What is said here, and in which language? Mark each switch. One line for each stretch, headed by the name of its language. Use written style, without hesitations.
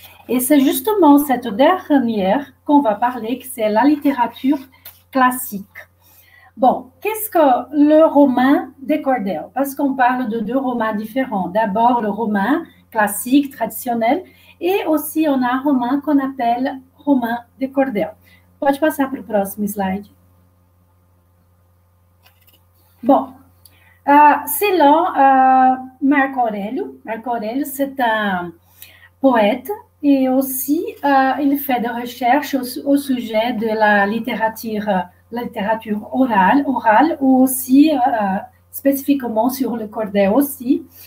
French: Et c'est justement cette dernière qu'on va parler, que c'est la littérature classique. Bom, qu'est-ce que le roman de Cordel? Parce qu'on parle de deux romans différents. D'abord, le roman classique, traditionnel, et aussi on a un roman qu'on appelle roman de Cordel.
Portuguese: Pode passar para o próximo slide.
French: Bom, selon Marco Aurélio, c'est un poète, et aussi il fait des recherches au sujet de la littérature orale, ou aussi spécifiquement sur le cordel aussi.